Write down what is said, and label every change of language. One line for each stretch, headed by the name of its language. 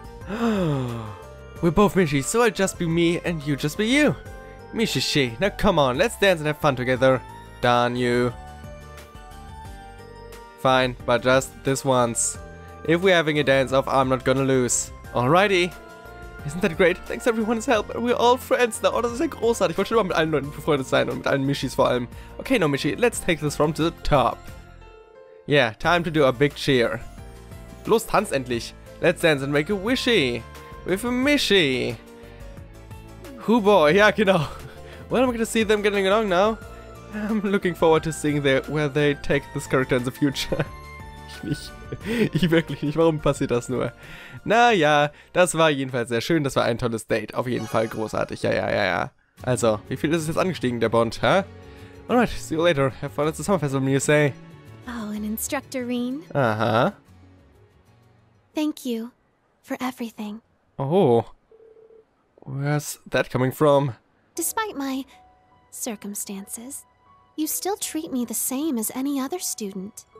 English: We're both Mischi, so I'll just be me and you just be you. Mischi-Shi, now come on, let's dance and have fun together. Darn you. Fine, but just this once. If we're having a dance-off, I'm not gonna lose. Alrighty. Isn't that great? Thanks everyone's help. We're all friends now.
German: Oh, das ist ja großartig. Ich wollte schon mal mit allen Leuten befreundet sein und mit allen Mischis vor allem.
English: Okay, no Mischi, let's take this from the top. Yeah, time to do a big cheer.
German: Los, tanz endlich.
English: Let's dance and make a wishy. With a Mischi.
German: Hoo boy, ja genau.
English: Well, I'm gonna see them getting along now. I'm looking forward to seeing where they take this character in the future.
German: Ich wirklich nicht. Warum passiert das nur? Naja, das war jedenfalls sehr schön. Das war ein tolles Date. Auf jeden Fall großartig. Ja. Also, wie viel ist es jetzt angestiegen, der Bond, hä?
English: Alright, see you later. Have fun at the Summer Festival, you say. Oh, an instructor, Rin. Aha. Thank you for everything. Oh. Where's that coming from? Despite my circumstances, you still treat me the same as any other student.